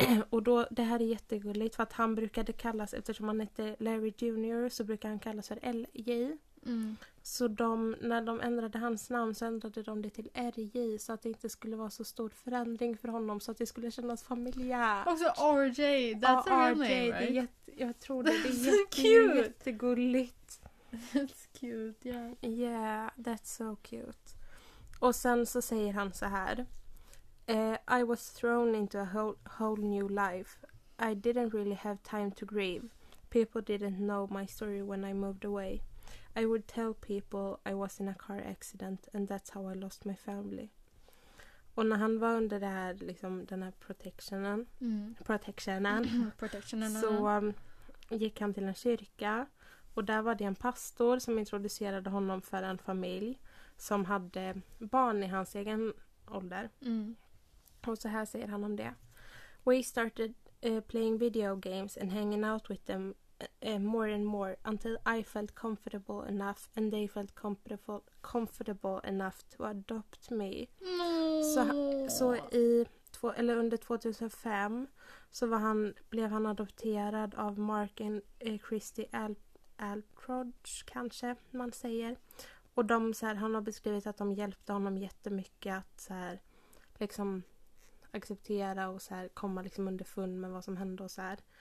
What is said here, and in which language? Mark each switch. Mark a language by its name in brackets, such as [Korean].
[Swedish] Och då, det här är jättegulligt, för att han brukade kallas, eftersom han heter Larry Jr. så brukar han kallas för LJ. Så de, när de ändrade hans namn så ändrade de det till RJ, så att det inte skulle vara så stor förändring för honom, så att det skulle kännas familjärt. Och så [English] RJ, that's a real name, right? [Swedish] Det är jag tror det, that's är jättegulligt. [English] That's cute, yeah. Yeah, that's so cute. [Swedish] Och sen så säger han så här: [English] I was thrown into a whole new life. I didn't really have time to grieve. People didn't know my story when I moved away. I would tell people I was in a car accident and that's how I lost my family. [Swedish] Och när han var under det här, liksom, den här protectionen så gick han till en kyrka. Och där var det en pastor som introducerade honom för en familj som hade barn i hans egen ålder. Mm. Och så här säger han om det: [English] We started playing video games and hanging out with them more and more until I felt comfortable enough and they felt comfortable enough to adopt me. [Swedish] Så under 2005 så var han, blev han adopterad av Mark and Christy Alprodge, kanske man säger. Och de, så här, han har beskrivit att de hjälpte honom jättemycket att så här, liksom acceptera och så här komma liksom underfund med vad som hände och så här.